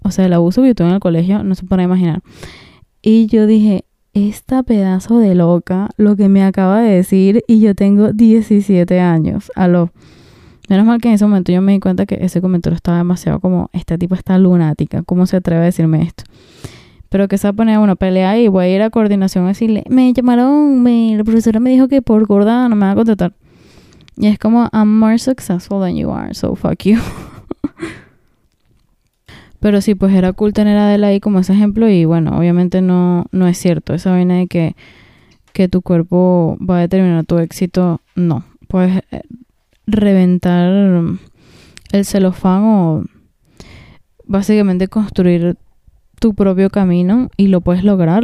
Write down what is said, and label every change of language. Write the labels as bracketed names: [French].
[Spanish] O sea, el abuso que yo tuve en el colegio, no se puede imaginar. Y yo dije, esta pedazo de loca, lo que me acaba de decir, y yo tengo 17 años, aló. Menos mal que en ese momento yo me di cuenta que ese comentario estaba demasiado como, esta tipa está lunática, ¿cómo se atreve a decirme esto? Pero que se va a poner una pelea y voy a ir a coordinación a decirle, me llamaron, la profesora me dijo que por gorda no me va a contratar. Y es como, [English] I'm more successful than you are, so fuck you. [Spanish] Pero sí, pues era cool tener a Adele ahí como ese ejemplo. Y bueno, obviamente no es cierto. Esa vaina de que tu cuerpo va a determinar tu éxito, no. Puedes reventar el celofán o básicamente construir tu propio camino y lo puedes lograr.